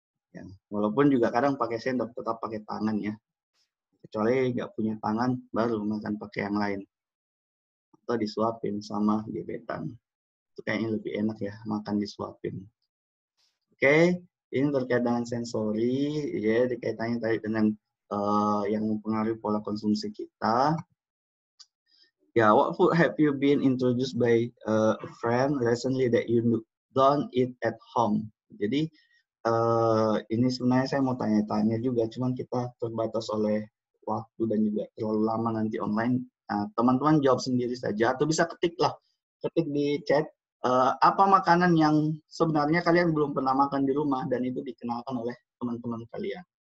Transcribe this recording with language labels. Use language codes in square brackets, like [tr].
[id] Ya, walaupun juga kadang pakai sendok, tetap pakai tangan ya. Kecuali nggak punya tangan, baru makan pakai yang lain. Atau disuapin sama gebetan. Itu kayaknya lebih enak ya, makan disuapin. Oke, ini terkait dengan sensori, ya, dikaitannya tadi dengan yang mempengaruhi pola konsumsi kita. [en] Ya, what food have you been introduced by a friend recently that you don't eat at home? [id] Jadi, ini sebenarnya saya mau tanya-tanya juga, cuman kita terbatas oleh waktu dan juga terlalu lama nanti online. Nah, teman-teman jawab sendiri saja atau bisa ketiklah, ketik di chat apa makanan yang sebenarnya kalian belum pernah makan di rumah dan itu dikenalkan oleh teman-teman kalian.